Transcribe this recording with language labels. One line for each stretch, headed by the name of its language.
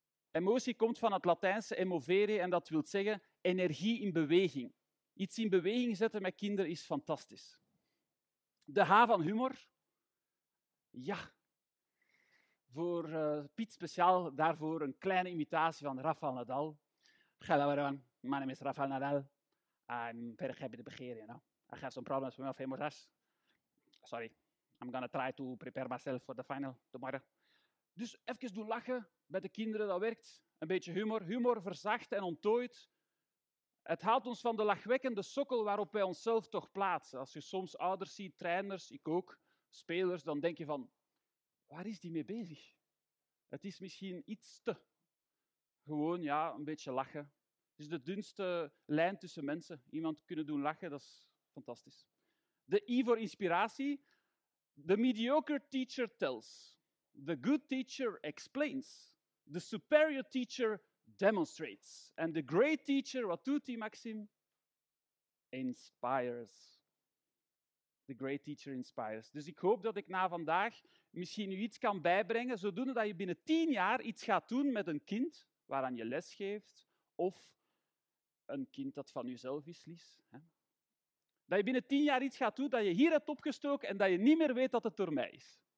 Dutch: Emotie komt van het Latijnse emovere en dat wil zeggen energie in beweging. Iets in beweging zetten met kinderen is fantastisch. De H van humor. Ja. Voor Piet speciaal daarvoor een kleine imitatie van Rafael Nadal.
English: Hello everyone, my name is Rafael Nadal. I'm very happy to be here, you know. I have some problems with my famous ass. Sorry, I'm gonna try to prepare myself for the final tomorrow.
Dutch: Dus even doen lachen bij de kinderen, dat werkt. Een beetje humor. Humor verzacht en ontdooit. Het haalt ons van de lachwekkende sokkel waarop wij onszelf toch plaatsen. Als je soms ouders ziet, trainers, ik ook, spelers, dan denk je van, waar is die mee bezig? Het is misschien iets te. Gewoon, ja, een beetje lachen. Het is de dunste lijn tussen mensen. Iemand kunnen doen lachen, dat is fantastisch. De I voor inspiratie.
English: The mediocre teacher tells. The good teacher explains. The superior teacher demonstrates. And the great teacher,
Dutch: wat doet hij,
English: Maxime? Inspires. The great teacher inspires.
Dutch: Dus ik hoop dat ik na vandaag misschien u iets kan bijbrengen, zodoende dat je binnen 10 jaar iets gaat doen met een kind waaraan je les geeft, of een kind dat van jezelf is, Lies. Dat je binnen 10 jaar iets gaat doen dat je hier hebt opgestoken en dat je niet meer weet dat het door mij is.